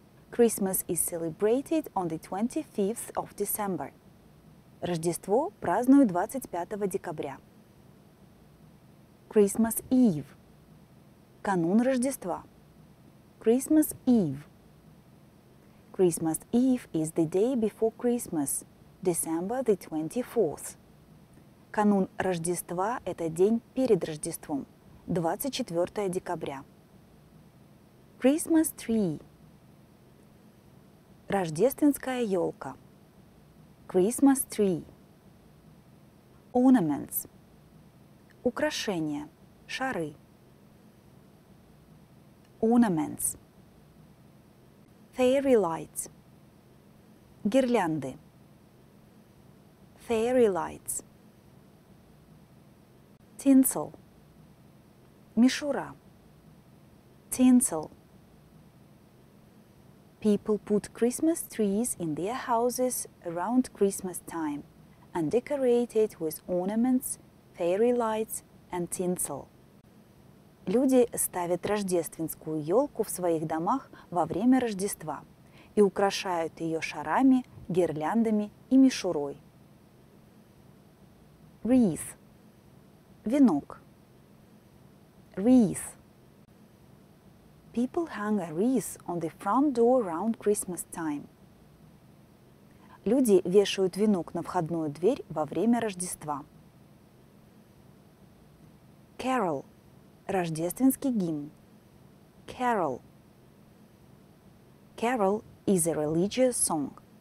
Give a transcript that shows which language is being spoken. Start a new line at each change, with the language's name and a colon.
English: Christmas is celebrated on the 25th of December.
Russian: Рождество празднуют 25 декабря.
English: Christmas Eve.
Russian: Канун Рождества.
English: Christmas Eve. Christmas Eve is the day before Christmas, December the 24th.
Russian: Канун Рождества – это день перед Рождеством, 24 декабря.
English: Christmas Tree.
Russian: Рождественская елка.
English: Christmas Tree. Ornaments.
Russian: Украшения, шары.
English: Ornaments. Fairy lights. Гирлянды. Fairy lights. Tinsel. Мишура. Tinsel. People put Christmas trees in their houses around Christmas time and decorate it with ornaments, fairy lights and tinsel.
Russian: Люди ставят рождественскую елку в своих домах во время Рождества и украшают ее шарами, гирляндами и мишурой.
English: Wreath. Венок. Wreath. People hang a wreath on the front door around Christmas time.
Russian: Люди вешают венок на входную дверь во время Рождества.
English: Carol.
Russian: Рождественский гимн.
English: Carol. Carol is a religious song.